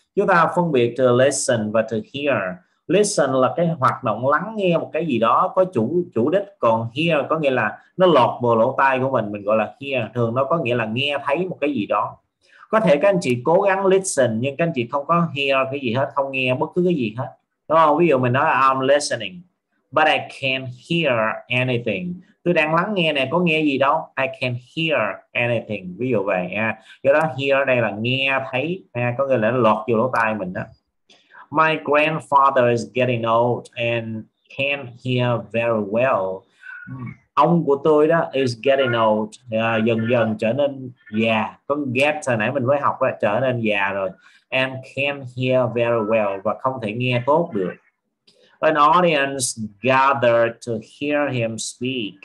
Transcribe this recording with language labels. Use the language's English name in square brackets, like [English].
[Vietnamese] Chúng ta phân biệt từ listen và từ hear. Listen là cái hoạt động lắng nghe một cái gì đó có chủ chủ đích, còn hear có nghĩa là nó lọt vào lỗ tai của mình gọi là hear. Thường nó có nghĩa là nghe thấy một cái gì đó. Có thể các anh chị cố gắng listen nhưng các anh chị không có hear cái gì hết, không nghe bất cứ cái gì hết. Đúng không? Ví dụ mình nói [English] I'm listening but I can't hear anything. [Vietnamese] Tôi đang lắng nghe này, có nghe gì đâu. [English] I can't hear anything. [Vietnamese] Ví dụ vậy nha. Do đó hear đây là nghe thấy nha, có nghĩa là nó lọt vô lỗ tai mình đó. [English] My grandfather is getting old and can't hear very well. [Vietnamese] Ông của tôi đó [English] is getting old, [Vietnamese] dần dần trở nên già. Có get hồi nãy mình mới học là trở nên già rồi. [English] And can't hear very well, [Vietnamese] và không thể nghe tốt được. [English] An audience gathered to hear him speak.